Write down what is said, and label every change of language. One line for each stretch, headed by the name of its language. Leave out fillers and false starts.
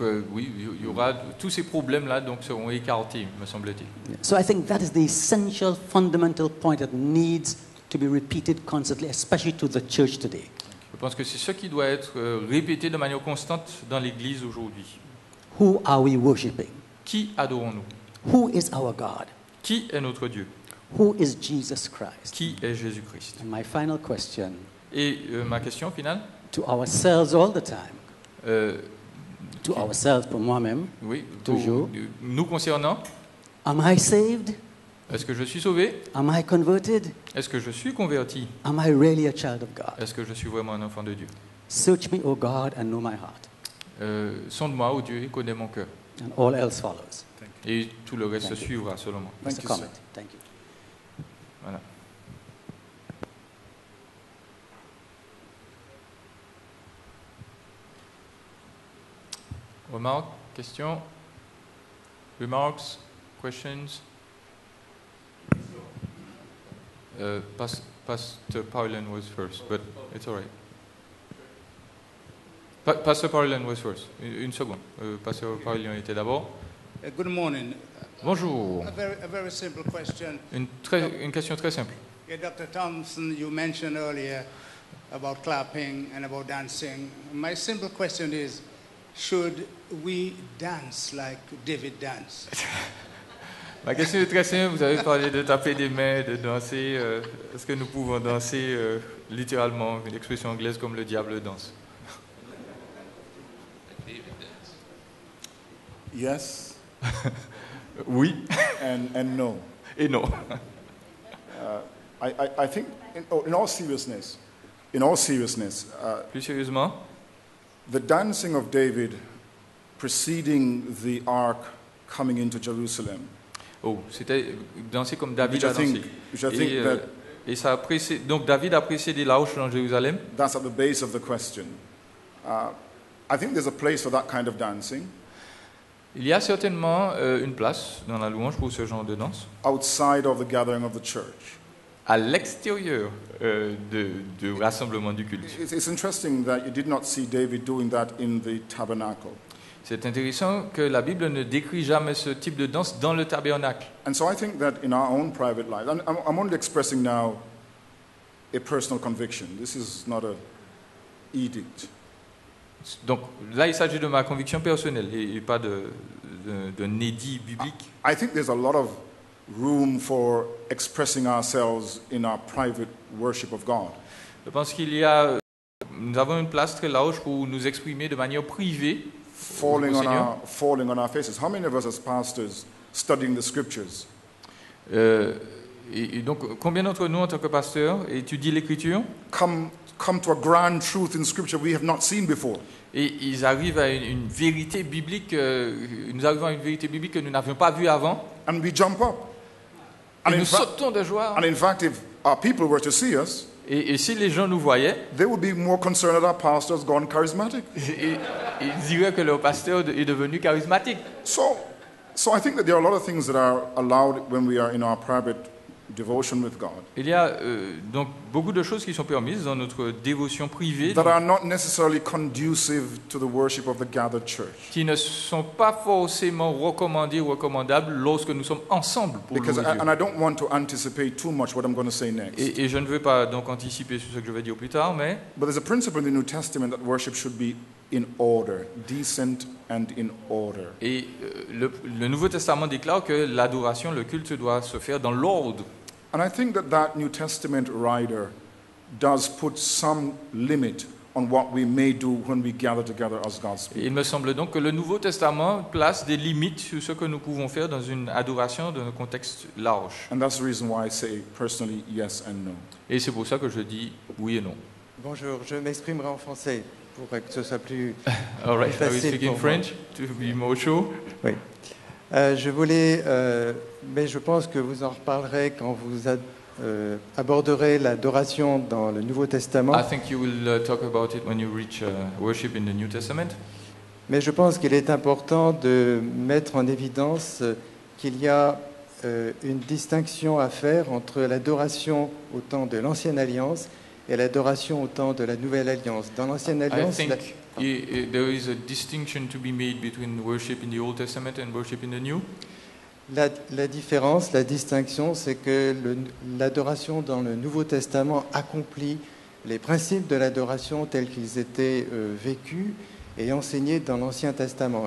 French: Oui, y aura tous ces problèmes-là donc seront écartés, me semble-t-il.
English: So I think that is the essential, fundamental point that needs to be repeated constantly, especially to the church today.
French: Je pense que c'est ce qui doit être répété de manière constante dans l'Église aujourd'hui.
English: Who are we worshiping?
French: Qui adorons-nous?
English: Who is our God?
French: Qui est notre Dieu?
English: Who is Jesus Christ?
French: Qui est Jésus-Christ?
English: And my final question.
French: Et ma question finale.
English: To ourselves all the time. To ourselves,
French: pour moi-même. Oui. Toujours. Nous concernant.
English: Am I saved?
French: Est-ce que je suis sauvé?
English: Am I converted?
French: Est-ce que je suis converti?
English: Am I really a child of God?
French: Est-ce que je suis vraiment un enfant de Dieu?
English: Search me, O God, and know my heart.
French: Sonde-moi, ô Dieu, et connais mon cœur.
English: And all else follows.
French: Et tout le reste suivra selon moi.
English: Thank you. Comment. Thank you.
French: Voilà. Remarques, questions,
English: remarks, questions. Pastor Paulin was first, but it's all right. Pastor Paulin was first.
French: Une seconde. Pastor Paulin était d'abord.
English: Good morning.
French: Bonjour.
English: A very simple question.
French: Une question très simple.
English: Yeah, Dr. Thompson, you mentioned earlier about clapping and about dancing. My simple question is, should we dance like David danced?
French: Ma question est très simple. Vous avez parlé de taper des mains, de danser. Est-ce que nous pouvons danser littéralement, une expression anglaise, comme le diable danse?
English: David danced. Yes.
French: Oui.
English: And no.
French: Et non.
English: I think in all seriousness.
French: Plus sérieusement.
English: The dancing of David preceding the ark coming into Jerusalem.
French: Oh, c'était danser comme David a dansé. Et ça a précédé. Donc David a précédé l'arche dans Jérusalem.
English: That's at the base of the question. I think there's a place for that kind of dancing.
French: Il y a certainement une place dans la louange pour ce genre de danse.
English: Outside of the gathering of the church.
French: À l'extérieur du rassemblement du culte.
English: It's interesting that you did not see David doing that in the tabernacle.
French: C'est intéressant que la Bible ne décrit jamais ce type de danse dans le tabernacle.
English: And so I think that in our own private life, I'm only expressing now a personal conviction. This is not an edict.
French: Donc là, il s'agit de ma conviction personnelle et pas d'un édit biblique.
English: I think there's a lot of room for expressing ourselves in our private worship of God.
French: Je pense qu'il y a, nous avons une place très large pour nous exprimer de manière privée.
English: Falling on our faces. How many of us as pastors studying the scriptures?
French: Et donc, combien d'entre nous en tant que pasteurs étudient l'écriture?
English: Come to a grand truth in scripture we have not seen before.
French: Et ils arrivent à une vérité biblique, nous arrivons à une vérité biblique que nous n'avions pas vue avant.
English: And we jump up.
French: And nous sautons de joie.
English: And in fact, if our people were to see us,
French: Et si les gens nous voyaient,
English: they would be more concerned that our pastor has gone charismatic.
French: Ils diraient que leur pasteur est devenu charismatique.
English: So I think that there are a lot of things that are allowed when we are in our private devotion with God.
French: Il y a donc beaucoup de choses qui sont permises dans notre dévotion privée.
English: That are not necessarily conducive to the worship of the gathered church.
French: Qui ne sont pas forcément recommandées ou recommandables lorsque nous sommes ensemble pour
English: Because
French: louer Dieu.
English: And I don't want to anticipate too much what I'm going to say next.
French: Et je ne veux pas donc anticiper sur ce que je vais dire plus tard, mais.
English: But there's a principle in the New Testament that worship should be in order, decent and in order.
French: Et le Nouveau Testament déclare que l'adoration, le culte doit se faire dans l'ordre.
English: And I think that New Testament writer does put some limit on what we may do when we gather together as God's people.
French: Il me semble donc que le Nouveau Testament place des limites sur ce que nous pouvons faire dans une adoration dans un contexte large.
English: And that's the reason why I say personally yes and no.
French: Et c'est pour ça que je dis oui et non. Bonjour, je m'exprimerai en français. Pour que ce soit plus
English: All right,
French: facile
English: are we speaking French to be more sure?
French: Oui. Je voulais, mais je pense que vous en reparlerez quand vous aborderez l'adoration dans le Nouveau Testament.
English: I think you will talk about it when you reach worship in the New Testament.
French: Mais je pense qu'il est important de mettre en évidence qu'il y a une distinction à faire entre l'adoration au temps de l'Ancienne Alliance et l'adoration au temps de la Nouvelle Alliance. Dans l'Ancienne Alliance,
English: I think there is a distinction to be made between worship in the Old Testament and worship in the New.
French: La différence, la distinction, c'est que l'adoration dans le Nouveau Testament accomplit les principes de l'adoration tels qu'ils étaient vécus et enseignés dans l'Ancien Testament.